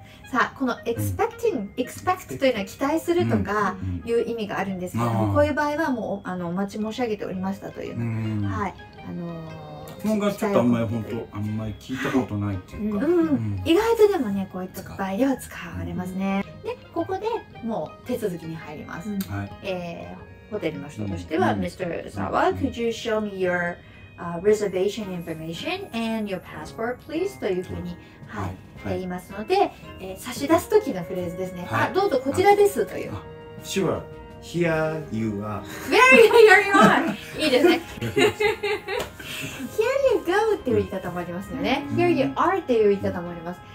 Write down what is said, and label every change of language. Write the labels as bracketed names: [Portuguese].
[Japanese] さあ、この expecting、うん、expect というのは期待するとかいう意味があるんですけど、うん、こういう場合はもうあのお待ち申し上げておりましたという。うん、はい。質問がちょっとあんまり本当、あんまり聞いたことないっていうか、はい、うんうん。意外とでもね、こういった場合では使われますね。で、ここでもう手続きに入ります。うん、はい。ホテルの人としては、うん、Mr. [English] Sawa, could you show me your、reservation information and your passport, please? [Japanese] というふうに、はいはい、言いますので、差し出す時のフレーズですね。はい、あ、どうぞこちらですという。 [English] Sure, here you are. Very good, here you are. [Japanese] いいですね。 [English] here you go [Japanese] っていう言い方もありますよね。 [English] Here you are [Japanese] っていう言い方もあります。